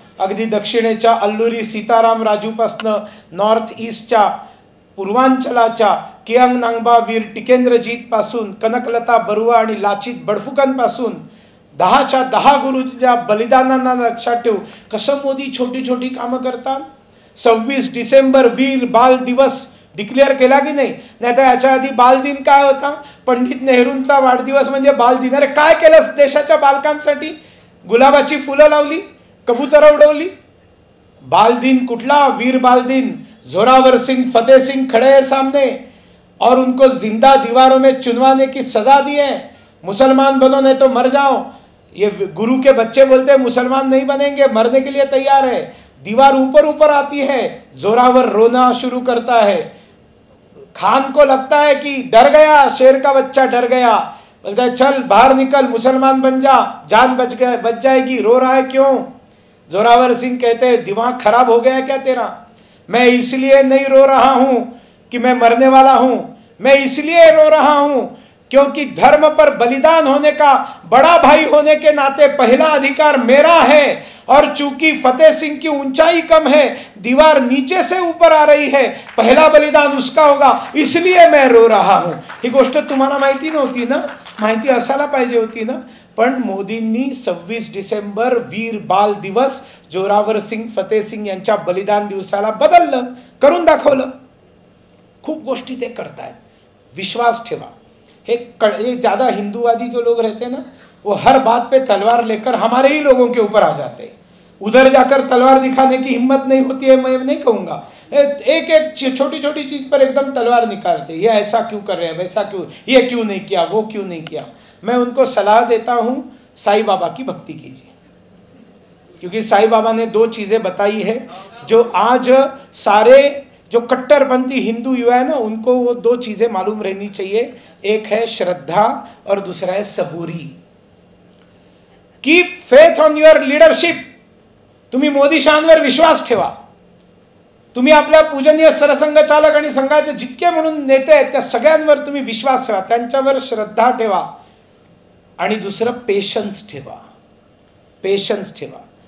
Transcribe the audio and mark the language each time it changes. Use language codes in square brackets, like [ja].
[mr] अगदी दक्षिणेच्या Alluri Sitaram राजूपासनं north ईस्टच्या पूर्वांचलाच्या Kyung नांगबा वीर टिकेंद्रजीतपासून कनकलता बरुआ आणि लाचित बडफुकनपासून 10 च्या 10 गुरुजीच्या बलिदानांना लक्षात ठेवू। कसं मोदी छोटी छोटी कामं करतात, 26 डिसेंबर वीर बाल दिवस डिक्लेअर केला की नाही, नाहीतर याच्या आधी बालदिन काय होता, पंडित नेहरूंचा वाढदिवस म्हणजे बालदिन। अरे काय केलंस देशाच्या बालकांसाठी, गुलाबाची फुलं लावली, कबूतर उडवली, बालदिन कुठला, वीर बालदिन, जोरावर सिंग फतेह सिंग [hi] खड़े है सामने और उनको जिंदा दीवारों में चुनवाने की सजा दी है, मुसलमान बनो नहीं तो मर जाओ। ये गुरु के बच्चे बोलते हैं मुसलमान नहीं बनेंगे, मरने के लिए तैयार है। दीवार ऊपर ऊपर आती है, जोरावर रोना शुरू करता है, खान को लगता है कि डर गया, शेर का बच्चा डर गया, बोलता है चल बाहर निकल मुसलमान बन जा, जान बच गए बच जाएगी, रो रहा है क्यों। जोरावर सिंह कहते हैं दिमाग खराब हो गया क्या तेरा, मैं इसलिए नहीं रो रहा हूं कि मैं मरने वाला हूं, मैं इसलिए रो रहा हूं क्योंकि धर्म पर बलिदान होने का बड़ा भाई होने के नाते पहला अधिकार मेरा है, और चूंकि फतेह सिंह की ऊंचाई कम है, दीवार नीचे से ऊपर आ रही है, पहला बलिदान उसका होगा, इसलिए मैं रो रहा हूं। [mr] ही गोष्ट तुम्हाला माहिती नव्हती ना, माहिती असायला पाहिजे होती ना, पण मोदींनी 26 डिसेंबर वीर बाल दिवस जोरावर सिंग फतेह सिंग यांच्या बलिदान दिवसाला बदललं, करून दाखवलं। खूप गोष्टी ते करतायत, विश्वास ठेवा। [hi] हे ज्यादा हिंदूवादी जो लोग रहते ना, वो हर बात पे तलवार लेकर हमारे ही लोगों के ऊपर आ जाते, उधर जाकर तलवार दिखाने की हिम्मत नहीं होती है, मैं नहीं कहूंगा, एक एक छोटी छोटी चीज पर एकदम तलवार निकालते, ये ऐसा क्यों कर रहे हैं, वैसा क्यों, ये क्यों नहीं किया, वो क्यों नहीं किया। मैं उनको सलाह देता हूं, साईं बाबा की भक्ति कीजिए, क्योंकि साईं बाबा ने दो चीजें बताई है जो आज सारे जो कट्टरपंथी हिंदू युवा है ना, उनको वो दो चीजें मालूम रहनी चाहिए, एक है श्रद्धा और दूसरा है सबूरी। [en] keep faith on your leadership, [mr] तुम्ही मोदी शांवर विश्वास ठेवा, तुम्ही आपल्या पूजनीय सरसंघचालक आणि संघाचे जितके म्हणून नेते आहेत त्या सगळ्यांवर तुम्ही विश्वास ठेवा, त्यांच्यावर श्रद्धा ठेवा, आणि दुसरं पेशन्स ठेवा, पेशन्स ठेवा।